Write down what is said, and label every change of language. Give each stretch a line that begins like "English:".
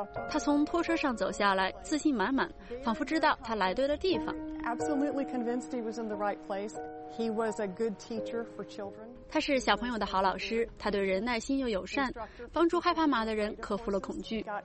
Chinese: 他从拖车上走下来，自信满满，仿佛知道他来对了地方。
English: Absolutely convinced he was in the right place. He was a good teacher for children.
Chinese: 他是小朋友的好老师，他对人耐心又友善，帮助害怕马的人克服了恐惧。